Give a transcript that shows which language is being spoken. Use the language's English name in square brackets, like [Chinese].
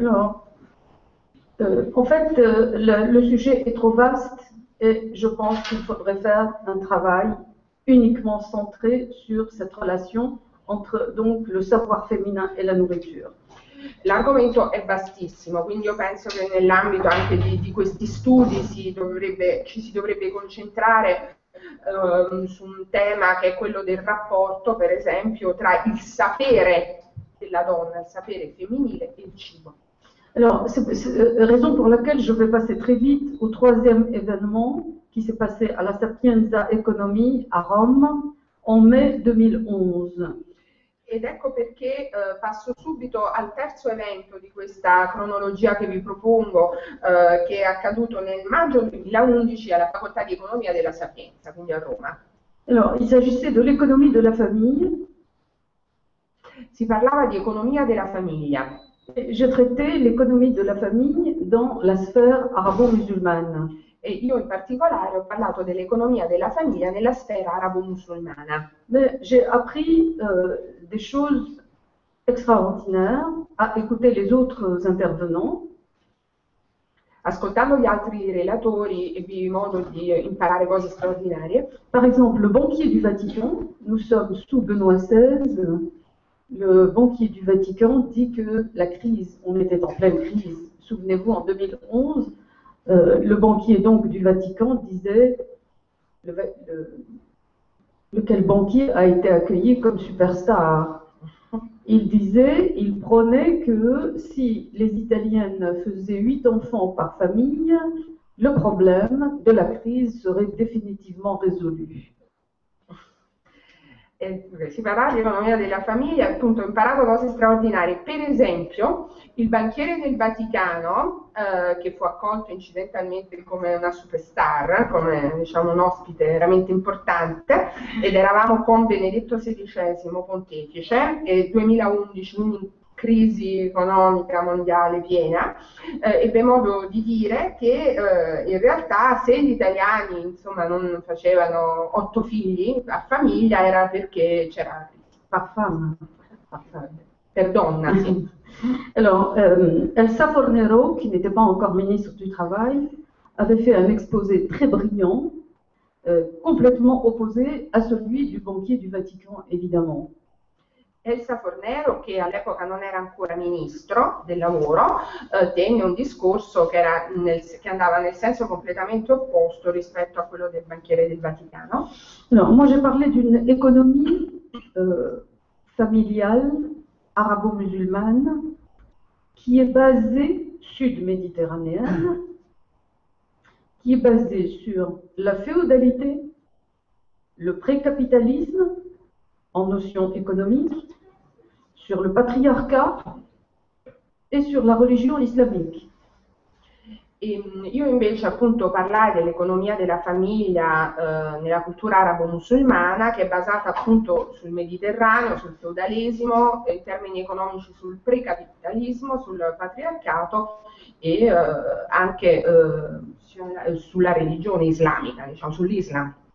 [French] Non. Le sujet est trop vaste et je pense qu'il faudrait faire un travail uniquement centré sur cette relation entre donc le savoir féminin et la nourriture. [Italian] L'argomento è vastissimo, quindi io penso che nell'ambito anche di questi studi ci si dovrebbe concentrare su un tema che è quello del rapporto, per esempio, tra il sapere della donna, il sapere femminile e il cibo. [French] Alors, c'est raison pour laquelle je vais passer très vite au troisième événement qui s'est passé à la Sapienza Economy à Rome en mai 2011. [Italian] Ed ecco perché passo subito al terzo evento di questa cronologia che vi propongo, che è accaduto nel maggio 2011 alla Facoltà di Economia della Sapienza, quindi a Roma. [French] Alors, il s'agissait de l'économie de la famille. [Italian] Si parlava di economia della famiglia. [French] Je traitais l'économie de la famille dans la sphère arabo-musulmane. [Italian] E io in particolare ho parlato dell'economia della famiglia nella sfera arabo-musulmana. [French] Mais j'ai appris des choses extraordinaires à écouter les autres intervenants. [Italian] Ascoltando gli altri relatori, ebbi modo di imparare cose straordinarie. [French] Par exemple, le banquier du Vatican, nous sommes sous Benoît XVI. Le banquier du Vatican dit que la crise, on était en pleine crise, souvenez-vous, en 2011, le banquier donc du Vatican disait, lequel banquier a été accueilli comme superstar? Il disait, il prônait que si les Italiennes faisaient 8 enfants par famille, le problème de la crise serait définitivement résolu. [Italian] Si parla di economia della famiglia, appunto, ho imparato cose straordinarie. Per esempio, il banchiere del Vaticano, che fu accolto incidentalmente come una superstar, come diciamo un ospite veramente importante, ed eravamo con Benedetto XVI pontefice, e 2011, crisi economica mondiale piena, ebbe modo di dire che in realtà se gli italiani insomma non facevano 8 figli a famiglia era perché c'era [French] Par femme. [Italian] per donna, sì. [French] Alors, Elsa Fornero, qui n'était pas encore ministre du Travail, avait fait un exposé très brillant, complètement opposé à celui du banquier du Vatican, évidemment. [Italian] Elsa Fornero, che all'epoca non era ancora ministro del lavoro, tenne un discorso che andava nel senso completamente opposto rispetto a quello del banchiere del Vaticano. [French] Non, moi j'ai parlé d'une économie familiale arabo-musulmane qui est basée sud-méditerranéenne, qui est basée sur la féodalité, le précapitalisme en notion économique, sur le patriarcat [Italian] e sulla religione islamica. Io invece appunto parlai dell'economia della famiglia nella cultura arabo-musulmana, che è basata appunto sul Mediterraneo, sul feudalesimo, in termini economici sul precapitalismo, sul patriarcato e anche sulla religione islamica, diciamo sull'Islam.